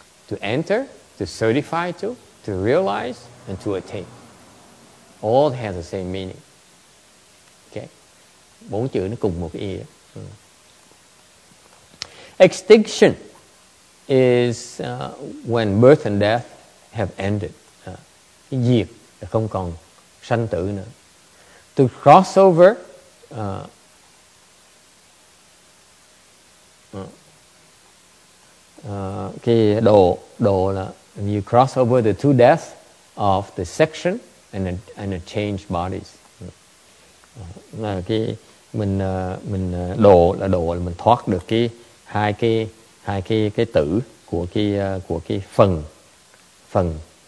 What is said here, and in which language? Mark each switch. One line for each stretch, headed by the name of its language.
English: To enter, to certify to realize, and to attain. All have the same meaning. Okay?
Vietnamese: Bốn chữ nó cùng một ý.
English: Extinction is when birth and death have ended.
Vietnamese: Diệt là không còn sanh tử nữa.
English: To cross over
Vietnamese: cái độ là
English: you cross over the two deaths of the section and a change bodies.
Vietnamese: Là cái mình độ là mình thoát được cái hai cái tử của cái phần